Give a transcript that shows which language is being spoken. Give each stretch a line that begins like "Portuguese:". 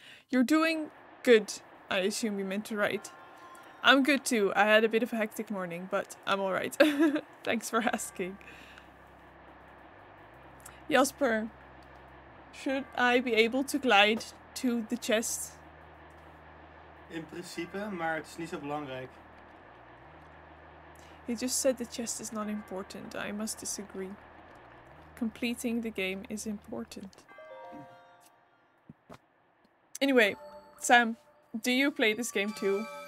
English: You're doing good, I assume you meant to write. I'm good too. I had a bit of a hectic morning, but I'm alright. Thanks for asking. Jasper, should I be able to glide to the chest?
Dutch: In principe, maar het is niet zo belangrijk.
English: He just said the chest is not important. I must disagree. Completing the game is important. Anyway, Sam, do you play this game too?